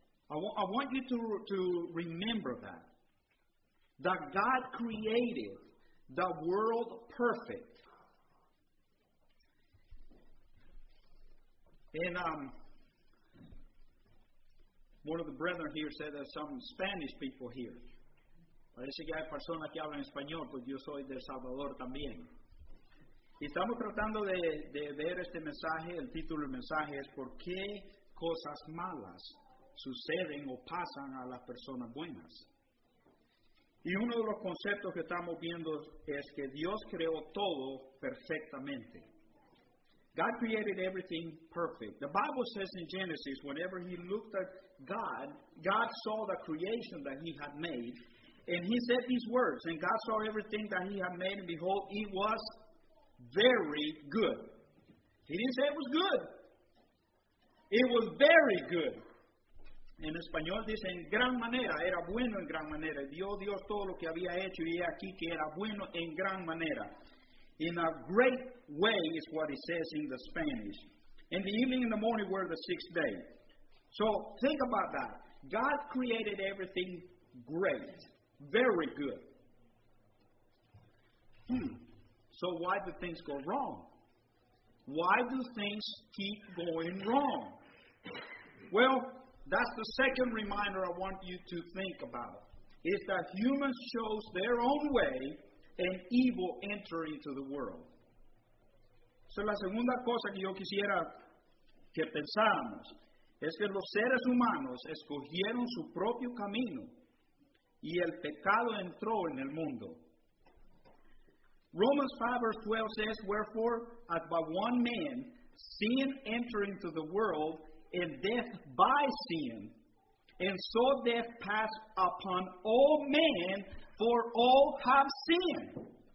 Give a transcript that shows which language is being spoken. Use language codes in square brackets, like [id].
[en] I want you to remember that. That God created the world perfect. And one of the brethren here said there's some Spanish people here. [es] Parece que hay personas que hablan español, pues yo soy del Salvador también. Estamos tratando de ver este mensaje, el título del mensaje es ¿por qué cosas malas suceden o pasan a las personas buenas? Y uno de los conceptos que estamos viendo es que Dios creó todo perfectamente. [en] God created everything perfect. The Bible says in Genesis, whenever he looked at God, God saw the creation that he had made, and he said these words, and God saw everything that he had made, and behold, it was very good. He didn't say it was good. It was very good. [es] En español dice en gran manera, era bueno en gran manera. Vio Dios todo lo que había hecho y aquí que era bueno en gran manera. [en] In a great way is what it says in the Spanish. In the evening and the morning were the sixth day. So think about that. God created everything great, very good. So why do things go wrong? Why do things keep going wrong? Well, that's the second reminder I want you to think about. Is that humans chose their own way and evil enter into the world. [es] So la segunda cosa que yo quisiera que pensáramos es que los seres humanos escogieron su propio camino y el pecado entró en el mundo. [en] Romans 5 verse 12 says, wherefore, as by one man, sin entered into the world, and death by sin, and so death passed upon all men, for all have sinned.